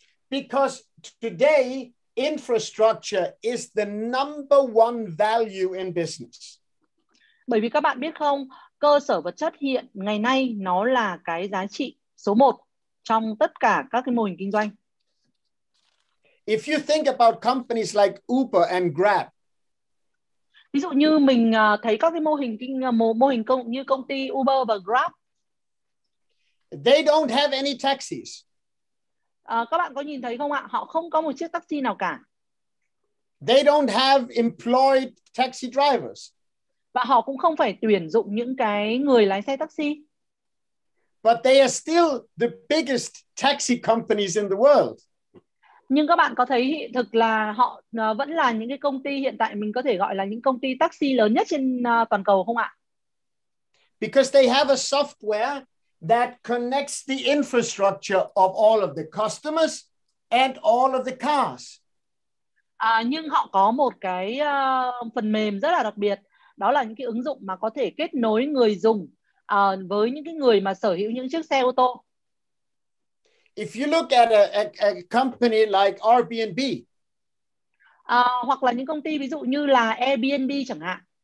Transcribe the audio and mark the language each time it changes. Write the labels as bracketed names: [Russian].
[English] Because today infrastructure is the number one value in business. [Vietnamese] Bởi vì các bạn biết không, cơ sở vật chất hiện ngày nay nó là cái giá trị số 1 trong tất cả các cái mô hình kinh doanh. [English] If you think about companies like Uber and Grab. [Vietnamese] Ví dụ như mình thấy các cái mô hình kinh mô hình công như công ty Uber và Grab. [English] They don't have any taxis. [Vietnamese] Các bạn có nhìn thấy không ạ? Họ không có một chiếc taxi nào cả. [English] They don't have employed taxi drivers. [Vietnamese] Và họ cũng không phải tuyển dụng những cái người lái xe taxi. [English] But they are still the biggest taxi companies in the world. [Vietnamese] Nhưng các bạn có thấy thực là họ vẫn là những cái công ty hiện tại mình có thể gọi là những công ty taxi lớn nhất trên toàn cầu không ạ? [English] Because they have a software that connects the infrastructure of all of the customers and all of the cars. [Vietnamese] Nhưng họ có một cái phần mềm rất là đặc biệt, đó là những cái ứng dụng mà có thể kết nối người dùng với những cái người mà sở hữu những chiếc xe ô tô. [English] If you look at a company like Airbnb. [Vietnamese] Hoặc là những công ty ví dụ như là Airbnb chẳng hạn.